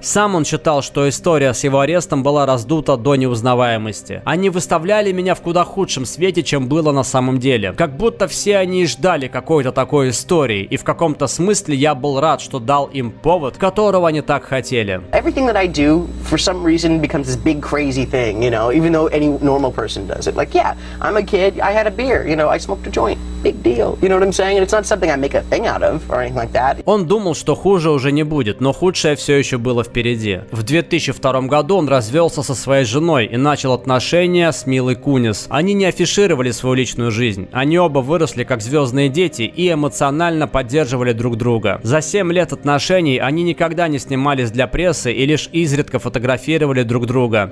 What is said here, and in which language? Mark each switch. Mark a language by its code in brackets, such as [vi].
[ru] Сам он считал, что история с его арестом была раздута до неузнаваемости. «Они выставляли меня в куда худшем свете, чем было на самом деле. Как будто все они и ждали какой-то такой истории, и в каком-то смысле я был рад, что дал им повод, которого они так хотели». [en] Everything that I do, for some reason, becomes this big crazy thing, you know, even though any normal person does it. Like, yeah, I'm a kid, I had a beer, you know, I smoked a joint. Big deal. You know what I'm saying? And it's not something I make a thing out of or anything like that. [ru] Он думал, что хуже уже не будет, но худшее все еще было впереди. В 2002 году он развелся со своей женой и начал отношения с Милой Кунис. Они не афишировали свою личную жизнь. Они оба выросли как звездные дети и эмоционально поддерживали друг друга. За 7 лет отношений они никогда не снимались для прессы и лишь изредка фотографировали друг друга.